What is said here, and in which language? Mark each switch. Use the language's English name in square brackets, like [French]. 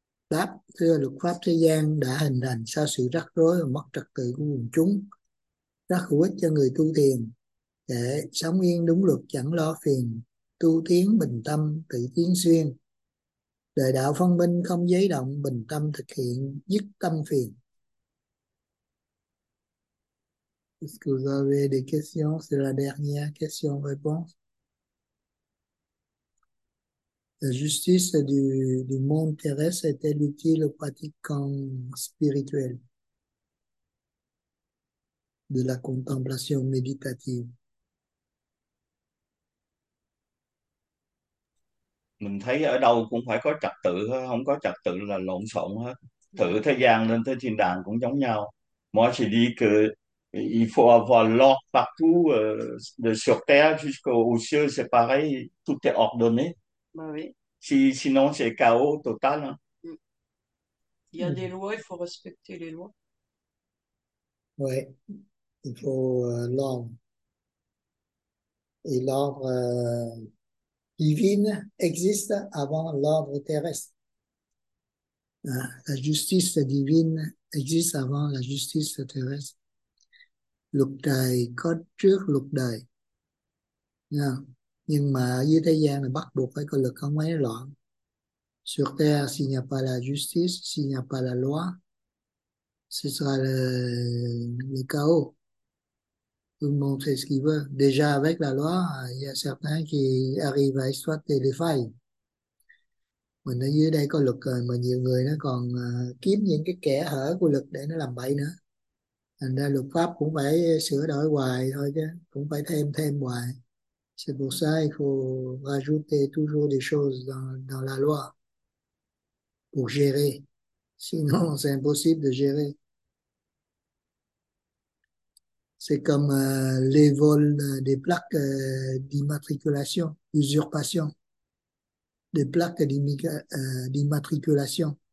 [Vietnamese] Đáp, thưa luật pháp thế gian đã hình thành sau sự rắc rối và mất trật tự của quần chúng. Rất hữu ích cho người tu thiền. Để sống yên đúng luật, chẳng lo phiền, tu tiến bình tâm, tự tiến xuyên. Đời đạo phân minh không giấy động, bình tâm thực hiện dứt tâm phiền. [French] Excusez-moi, des questions, c'est la dernière question réponse. La justice du monde terrestre est-elle utile aux pratiquants spirituels de la contemplation méditative? [Vietnamese] Mình thấy ở đâu cũng phải có trật tự, không có trật tự là lộn xộn hết. Thử thế gian lên tới thiên đàng cũng giống nhau. Mọi sự đi cứ [French] il faut avoir l'ordre partout de sur terre jusqu'au ciel, c'est Oui. pareil, tout est ordonné. Si, sinon c'est chaos Y a total. des lois, il faut respecter les lois. Ouais, il faut l'ordre. Et l'ordre divine existe avant l'ordre terrestre. La justice divine existe avant la justice terrestre. [Vietnamese] Luật trời có trước luật đời. Nhưng mà dưới thế gian là bắt buộc phải có luật, không mấy loạn. [French] Sur terre, s'il n'y a pas la justice, s'il n'y a pas la loi, ce sera le chaos. Tout le monde fait ce qu'il veut. Déjà avec la loi, il y a certains qui arrivent à exploiter les failles. [Vietnamese] Mình ở dưới đây có luật rồi mà nhiều người nó còn kiếm những cái kẽ hở của luật để nó làm bậy nữa. Thành ra luật pháp cũng phải sửa đổi hoài thôi chứ, cũng phải thêm thêm hoài. [French] C'est pour ça il faut rajouter toujours des choses dans la loi pour gérer. Sinon, c'est impossible de gérer. C'est comme les vols des plaques d'immatriculation, usurpation des plaques d'immatriculation.